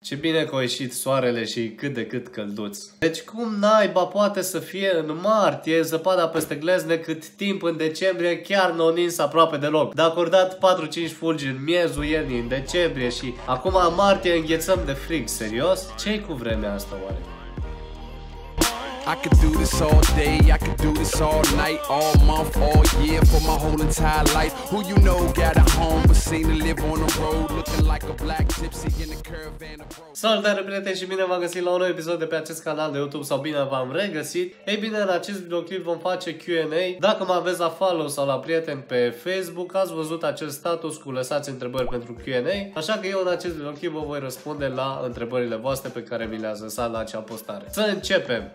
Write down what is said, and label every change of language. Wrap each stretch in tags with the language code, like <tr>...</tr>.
<ro>Ce bine că a ieșit soarele și cât de cât călduț. Deci cum naiba poate să fie în martie zăpada peste glezne cât timp în decembrie chiar n-o nins aproape deloc? Dacă ori dat 4-5 fulgi în miezul iernii în decembrie și acum în martie înghețăm de frig, serios? Ce-i cu vremea asta oare?</ro> <en>I could do this all day, I could do this all night, all month, all year, for my whole entire life. Who you know got a home, but seen to live on the road, looking like a black gypsy in a caravan of road.</en> <ro>Salutare, prieteni, și bine v-am găsit la un nou episod de pe acest canal de YouTube, sau bine v-am regăsit. Ei bine, în acest videoclip vom face Q&A. Dacă mă aveți la follow sau la prieten pe Facebook, ați văzut acest status cu lăsați întrebări pentru Q&A. Așa că eu în acest videoclip vă voi răspunde la întrebările voastre pe care mi le-ați lăsat la acea postare. Să începem!</ro>